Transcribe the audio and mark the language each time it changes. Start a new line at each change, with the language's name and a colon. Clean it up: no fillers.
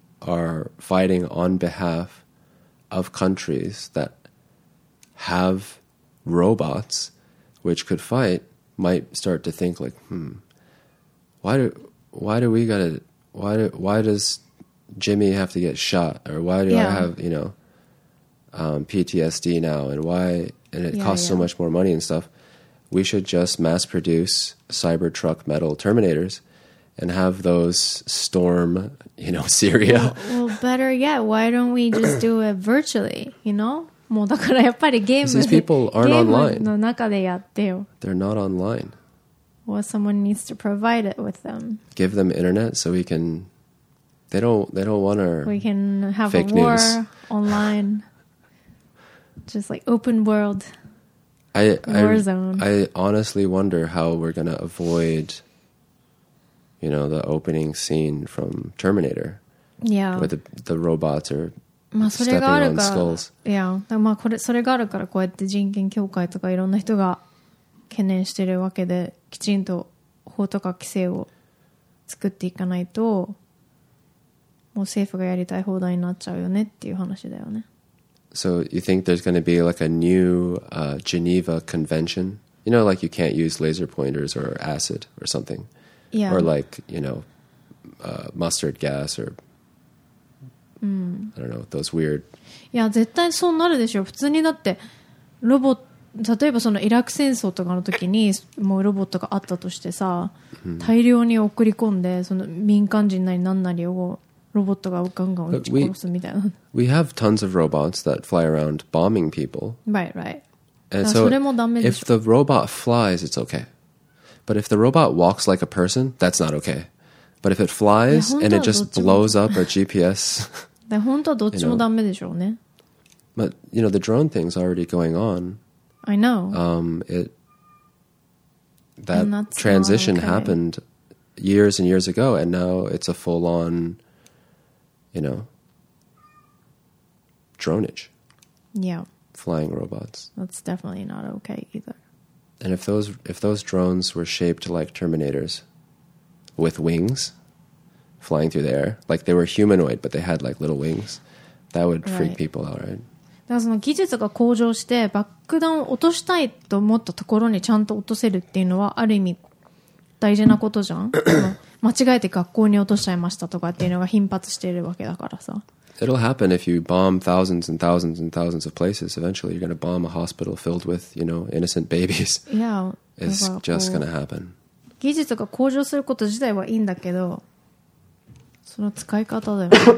English: Are fighting on behalf of countries that have robots which could fight might start to think like, why does Jimmy have to get shot, or why do I have, you know, PTSD now, and it costs so much more money and stuff. We should just mass produce Cybertruck metal Terminators. And have those storm, you know, Syria. Well, better yet, why don't we just do it virtually, you know?
Japanese: もうだからやっぱりゲーム、
English: these people aren't online.
Japanese: ゲームの中でやってよ。
English: They're not online. Well, someone needs to provide it with them. Give them internet so we can... They don't want our We can have a war online. Just like open world. War zone. I honestly wonder how we're going to avoid... You know, the opening scene from Terminator. Yeah. Where the robots are stepping on skulls. Yeah.
Japanese: まあ、これ、それがあるから、こうやって人権協会とかいろんな人が懸念してるわけで、きちんと法とか規制を作っていかないと、もう政府がやりたい放題になっちゃうよねっていう話だよね。
English: So you think there's going to be like a new, Geneva convention? You know, like you can't use laser pointers or acid or something. Yeah. Or like, you know, mustard gas or, I don't know, those weird...
Japanese: Yeah, 絶対そうなるでしょ。普通にだって、ロボット、例えばそのイラク戦争とかの時に、もうロボットがあったとしてさ、大量に送り込んで、その民間人なりなんなりをロボットがガンガン撃ち殺すみたいな。
English: We have tons of robots that fly around bombing people. Right, right. And so
Japanese: それもダメでしょ。
English: If the robot flies, it's okay. But if the robot walks like a person, that's not okay. But if it flies and it just blows up a GPS...
Japanese: 本当はどっちもダメでしょうね。
English: But, you know, the drone thing's already going on. I know. That transition happened years and years ago, and now it's a full-on, you know, dronage. Yeah. Flying robots. That's definitely not okay either. And if those drones were shaped like Terminators, with wings, flying through the air, like they were humanoid but they had like little wings, That would freak people out, right?
Japanese: だからその技術が向上して爆弾を落としたいと思ったところにちゃんと落とせるっていうのはある意味大事なことじゃん。間違えて学校に落としちゃいましたとかっていうのが頻発しているわけだからさ。
English: It'll happen if you bomb thousands and thousands and thousands of places. Eventually, you're going to bomb a hospital filled with, you know, innocent babies. Yeah. It's just going to happen.
Japanese: 技術が向上すること自体はいいんだけど、その使い方だよ。